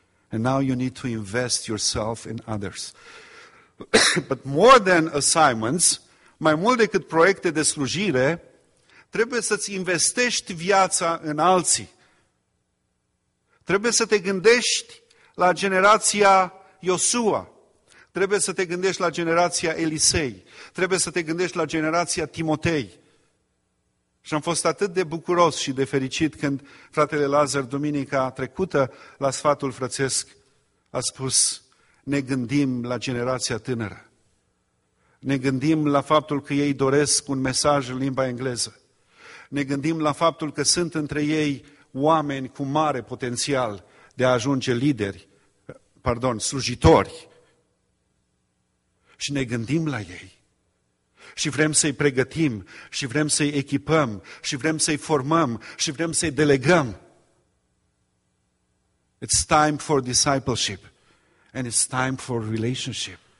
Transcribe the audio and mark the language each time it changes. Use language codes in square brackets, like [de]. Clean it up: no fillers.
[en] And now you need to invest yourself in others. But more than assignments, [ro] mai mult decât proiecte de slujire, trebuie să-ți investești viața în alții. Trebuie să te gândești la generația Iosua. Trebuie să te gândești la generația Elisei. Trebuie să te gândești la generația Timotei. Și am fost atât de bucuros și de fericit când fratele Lazar, duminica trecută, la sfatul frățesc, a spus, ne gândim la generația tânără. Ne gândim la faptul că ei doresc un mesaj în limba engleză. Ne gândim la faptul că sunt între ei oameni cu mare potențial de a ajunge slujitori. Și ne gândim la ei. Și vrem să-i pregătim, și vrem să-i echipăm, și vrem să-i formăm, și vrem să-i delegăm. [en] It's time for discipleship and it's time for relationship.